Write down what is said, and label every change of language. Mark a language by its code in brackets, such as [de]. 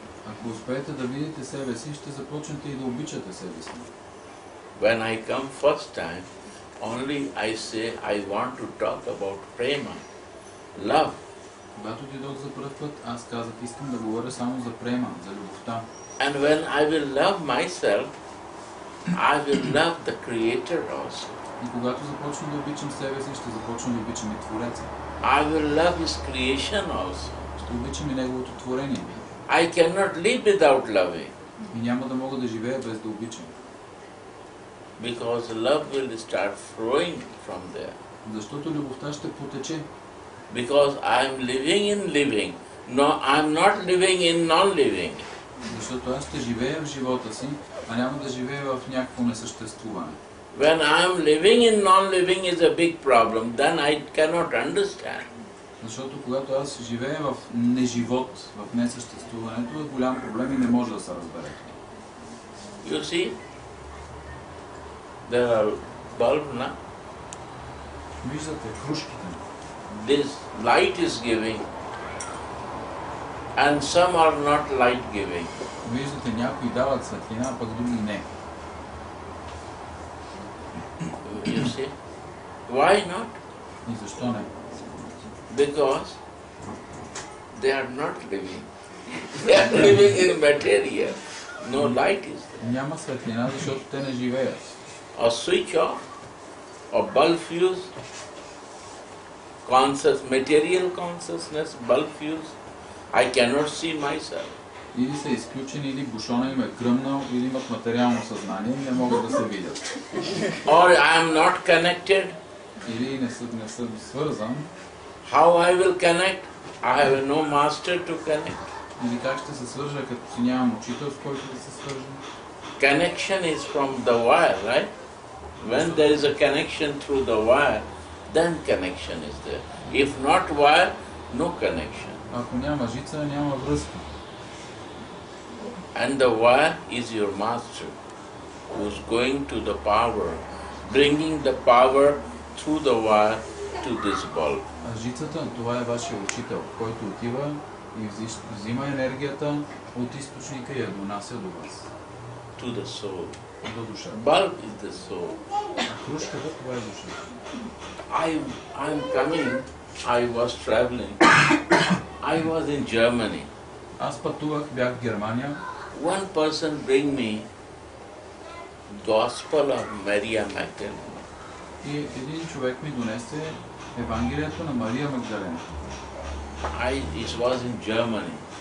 [bg] Ако успеете да видите себе си, ще започнете и да обичате себе си. [en] When I come first time, only I say I want to talk about prema, love. [bg] Когато дойдох за първ път, аз казах, искам да говоря само за према, за любовта. [en] And when I will love myself, I will love the Creator also. [bg] И когато започна да обичам себе си, ще започна да обичам и Твореца. [en] I will love His creation also. [bg] Ще обичам и Неговото творение. [en] I cannot live without loving. [bg] И няма да мога да живея без да обичам. [en] Because love will start flowing from there. [bg] Защото любовта ще потече. [en] Because I am living in living. No, I am not living in non-living. [bg] Защото аз ще живея в живота си, а няма да живея в някакво несъществуване. [en] When I am living in non-living is a big problem, then I cannot understand. [bg] Защото когато аз живея в неживот, в несъществуването, е голям проблем и не може да се разбере. [en] You see, there are bulbs, na? [bg] Виждате кружките. [en] This light is giving, and some are not light giving. [bg] Виждате, някои дават светлина, пък други не. [en] You see? Why not? [bg] И защо не? [en] Because they are not living. They are living in material. No light is there. [bg] Няма светлина, защото те не живеят. [en] A switch off, a bulb fuse, conscious, material consciousness, bulb fuse, I cannot see myself. [bg] Или са изключени, или бушона им е гръмнал, или имат материално съзнание и не могат да се видят. [en] Or I am not connected. [bg] Или не съм свързан. [en] How I will connect? I have no master to connect. [bg] Или как ще се свържа, като си нямам учител, с който да се свържа? [en] Connection is from the wire, right? When there is a connection through the wire, then connection is there. If not wire, no connection. [bg] Ако няма жица, няма връзка. [en] And the wire is your master, who is going to the power, bringing the power through the wire to this bulb. [bg] А жицата, това е вашия учител, който отива и взима енергията от източника и я донася до вас. [en] To the soul. [bg] До душа. [en] Bulb is the soul. [bg] А кружката, това е душа. [en] I'm coming, I was traveling, I was in Germany. [bg] Аз пътувах, бях в Германия. [en] One person bring me Gospel of Maria Magdalene. [bg] И един човек ми донесе Евангелието на Мария Магдалена. [en] It was in Germany.